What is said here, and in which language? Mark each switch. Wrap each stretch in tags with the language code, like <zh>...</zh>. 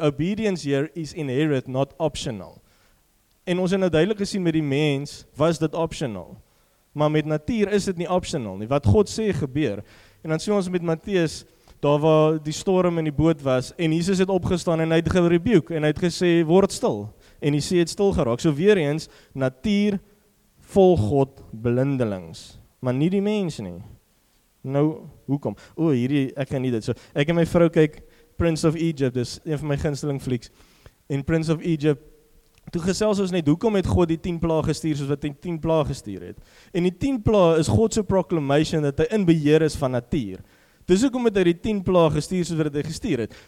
<en>Obedience here is inherent, not optional.</en> <af>En ons het nou duidelik gesien met die mens, was dit optional. Maar met natuur is dit nie optional nie, wat God sê gebeur. En dan sien ons met Matteus, daar waar die storm in die boot was, en Jesus het opgestaan en hy het gerebuke, en hy het gesê, word stil. En die see het stil geraak. So weer eens, natuur volg God blindelings. Maar nie die mens nie. Nou, hoekom? O, hierdie, ek kan nie dit. So, ek en my vrou kyk, Prince of Egypt, dis een van my ginsteling flieks. En Prince of Egypt, toe gesels ons net, hoekom het God die 10 pla gestuur, soos wat die 10 pla gestuur het? En die 10 pla is Godse proclamation, dat hy in beheer is van natuur. Dis hoekom het hy die 10 pla gestuur, soos wat hy gestuur het.</af>